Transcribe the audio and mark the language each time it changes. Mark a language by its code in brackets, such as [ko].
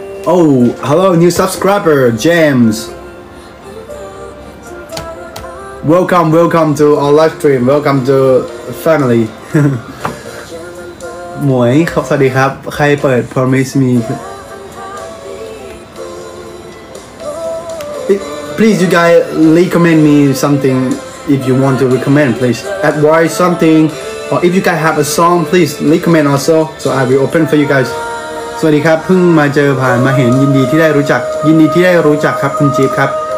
[en] Oh, hello new subscriber James. Welcome to our live stream. Welcome to family. [th] หมวยครับสวัสดีครับใครเปิด Promise me [en] Please, you guys, recommend me something if you want to recommend, please. Advice something, or if you guys have a song, please recommend also, so I will open for you guys. [th] สวัสดีครับเพิ่งมาเจอผ่านมาเห็นยินดีที่ได้รู้จักครับคุณจิ๊บครับ